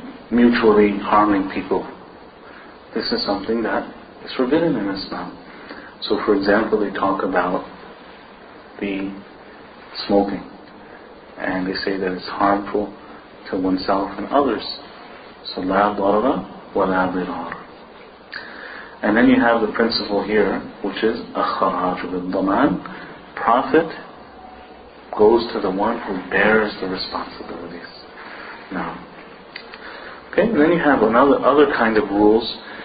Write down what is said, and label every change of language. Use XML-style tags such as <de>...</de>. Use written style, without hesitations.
<en>Mutually harming people. This is something that is forbidden in Islam. So for example, they talk about the smoking, and they say that it's harmful to oneself and others.</en> <ar>So لا ضرر ولا ضرار.</ar> <en>And then you have the principle here, which is</en> <ar>الخراج بالضمان.</ar> <en>Prophet goes to the one who bears the responsibilities. Now, okay, and then you have other kind of rules.</en>